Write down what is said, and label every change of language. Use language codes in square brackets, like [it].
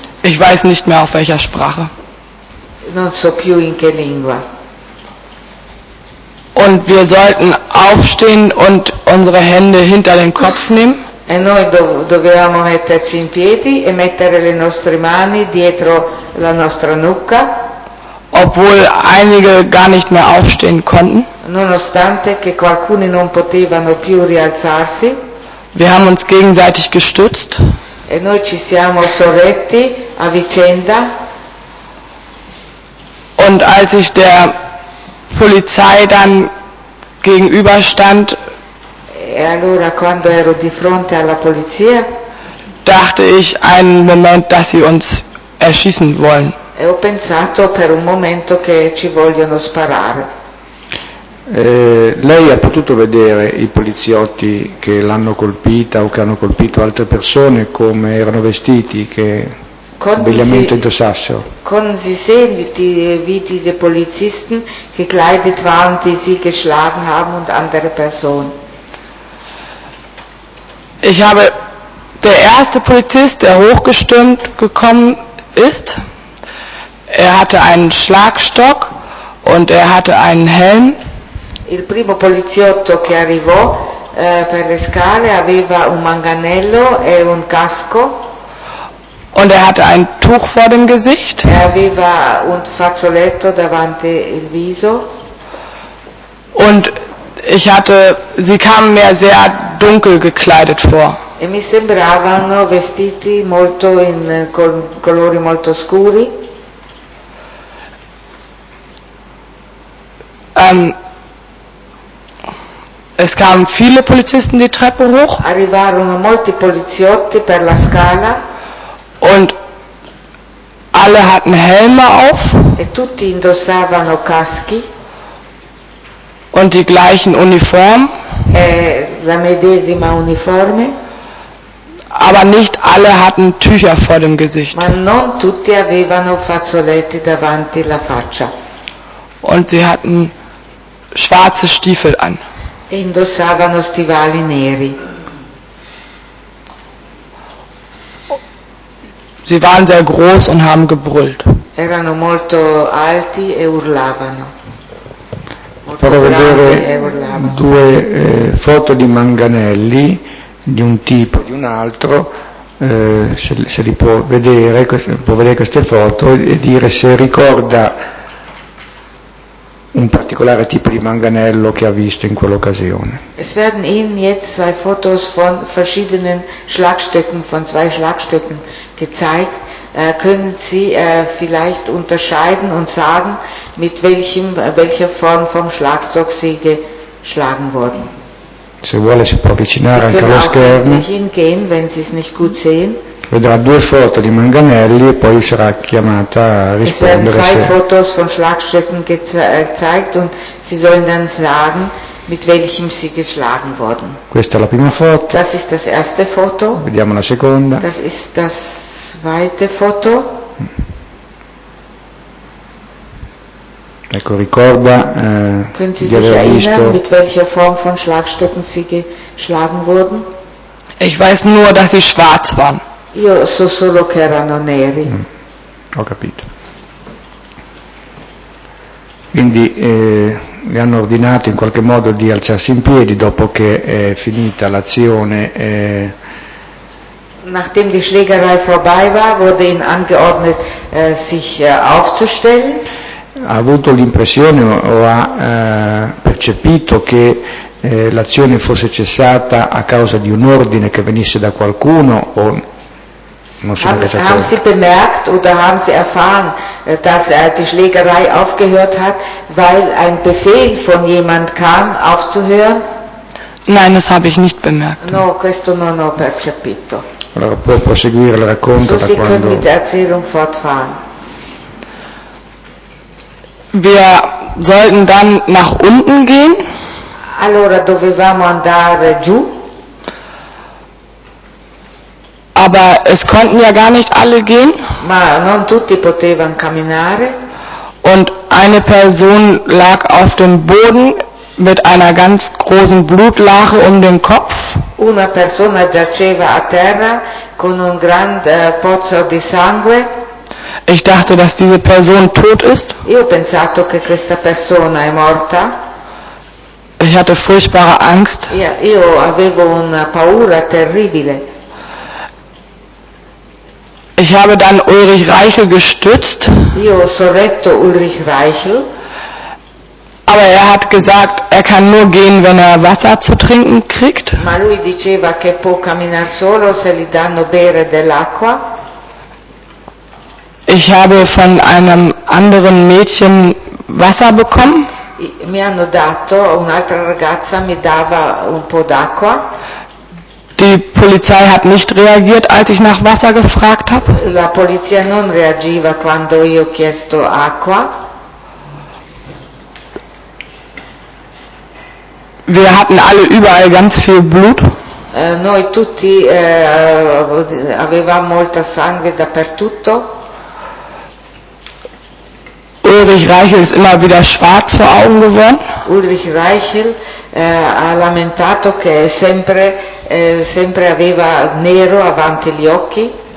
[de] Ich weiß nicht mehr auf welcher Sprache. [it] Non so più in che lingua. [de] Und wir sollten aufstehen und unsere Hände hinter den Kopf nehmen. [it] E noi dovevamo metterci in piedi e mettere le nostre mani dietro la nostra nuca. [de] Obwohl einige gar nicht mehr aufstehen konnten. [it] Nonostante che alcuni non potevano più rialzarsi. [de] Wir haben uns gegenseitig gestützt. [it] E noi ci siamo sorretti a vicenda. [de] Und als ich der Polizei dann gegenüberstand, [it] e allora quando ero di fronte alla polizia, [de] dachte ich einen Moment, dass sie uns erschießen wollen. [it] E ho pensato per un momento che ci vogliono sparare. Lei ha potuto vedere i poliziotti che l'hanno colpita o che hanno colpito altre persone, come erano vestiti, che abbigliamento indossassero? [de] Konnten Sie sehen, wie diese Polizisten gekleidet waren, die sie geschlagen haben, und andere Personen? Ich habe der erste Polizist, der hochgestürmt gekommen ist. Er hatte einen Schlagstock und er hatte einen Helm. [it] Il primo poliziotto che arrivò per le scale aveva un manganello e un casco. [de] Und er hatte ein Tuch vor dem Gesicht. [it] E aveva un fazzoletto davanti il viso. [de] Und ich hatte, sie kamen mir sehr dunkel gekleidet vor. [it] E mi sembravano vestiti molto in colori molto scuri. [de] Es kamen viele Polizisten die Treppe hoch. [it] Arrivarono molti poliziotti per la scala. [de] Und alle hatten Helme auf. [it] E tutti indossavano caschi. [de] Und die gleichen Uniformen. [it] La medesima uniforme. [de] Aber nicht alle hatten Tücher vor dem Gesicht. [it] Ma non tutti avevano fazzoletti davanti la faccia. [de] Und sie hatten schwarze Stiefel an. [it] E indossavano stivali neri. [de] Sie waren sehr groß und haben gebrüllt. [it] Erano molto alti e urlavano. Farò vedere due foto di manganelli, di un tipo e di un altro, se li può vedere, può vedere queste foto e dire se ricorda un particolare tipo di manganello che ha visto in quell'occasione. [de] Es werden Ihnen jetzt zwei Fotos von verschiedenen Schlagstöcken, von zwei Schlagstöcken gezeigt. Können Sie vielleicht unterscheiden und sagen, mit welcher Form vom Schlagstock Sie geschlagen wurden? [it] Se vuole si può avvicinare anche allo schermo. [de] Hingehen, wenn Sie es nicht gut sehen. [it] Vedrà due foto di manganelli e poi sarà chiamata a rispondere. [de] Es werden zwei Fotos von Schlagstöcken gezeigt und Sie sollen dann sagen, mit welchem Sie geschlagen wurden. [it] Questa è la prima foto. [de] Das ist das erste Foto. [it] Vediamo la seconda. [de] Das ist das zweite Foto. [it] Ecco, ricorda di aver visto [de] mit welcher Form von Schlagstöcken Sie geschlagen wurden? Ich weiß nur, dass sie schwarz waren. [it] Io so solo che erano neri. Ho capito. Quindi le hanno ordinato in qualche modo di alzarsi in piedi dopo che è finita l'azione. [de] Nachdem die Schlägerei vorbei war, wurde ihnen angeordnet, sich aufzustellen. [it] Ha avuto l'impressione o ha percepito che l'azione fosse cessata a causa di un ordine che venisse da qualcuno o non so cosa. [de] Haben Sie bemerkt oder haben Sie erfahren, dass die Schlägerei aufgehört hat, weil ein Befehl von jemand kam, aufzuhören? Nein, das habe ich nicht bemerkt. [it] No, questo non ho percepito. Allora può proseguire il racconto so da quando. [de] So, Sie können mit der Erzählung fortfahren. Wir sollten dann nach unten gehen. [it] Allora dovevamo andare giù. [de] Aber es konnten ja gar nicht alle gehen. [it] Ma non tutti potevano camminare. [de] Und eine Person lag auf dem Boden mit einer ganz großen Blutlache um den Kopf. [it] Una persona giaceva a terra con un grande pozzo di sangue. [de] Ich dachte, dass diese Person tot ist. [it] Io ho pensato che questa persona è morta. [de] Ich hatte furchtbare Angst. Ja, [it] io avevo una paura terribile. [de] Ich habe dann Ulrich Reichel gestützt. [it] Io ho sorretto Ulrich Reichel. [de] Aber er hat gesagt, er kann nur gehen, wenn er Wasser zu trinken kriegt. [it] Ma lui diceva che può camminare solo se gli danno bere dell'acqua. [de] Ich habe von einem anderen Mädchen Wasser bekommen. [it] Mi hanno dato, un'altra ragazza mi dava un po' d'acqua. [de] Die Polizei hat nicht reagiert, als ich nach Wasser gefragt habe. [it] La polizia non reagiva quando io ho chiesto acqua. [de] Wir hatten alle überall ganz viel Blut. [it] Noi tutti avevamo molta sangue dappertutto. [de] Ulrich Reichel ist immer wieder schwarz vor Augen geworden. [it] Ulrich Reichel ha lamentato che sempre aveva nero avanti gli occhi.